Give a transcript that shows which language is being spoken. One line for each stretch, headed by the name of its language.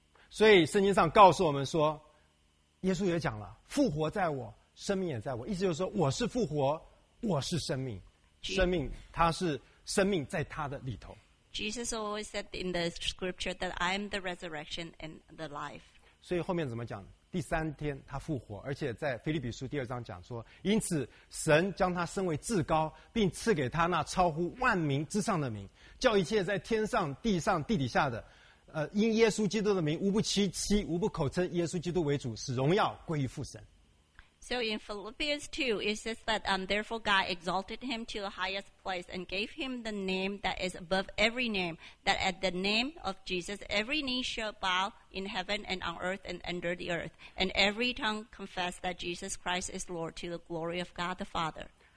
Chinese: 所以圣经上告诉我们说, 耶稣也讲了, 复活在我, 生命也在我, 意思就是说, 我是复活, 我是生命, 生命, 他是生命在他的里头。
English: Jesus always said in the scripture that I am the resurrection and the life.
Chinese: 所以后面怎么讲? 第三天他复活, 而且在腓立比书第二章讲说, 因此神将他升为至高, 并赐给他那超乎万民之上的名, 叫一切在天上, 地上, 地底下的, 因耶稣基督的名, 无不欺欺, 无不口称耶稣基督为主, 使荣耀归于父神。
English: So in Philippians 2, it says that therefore God exalted him to the highest place and gave him the name that is above every name, that at the name of Jesus, every knee shall bow in heaven and on earth and under the earth, and every tongue confess that Jesus Christ is Lord to the glory of God the Father.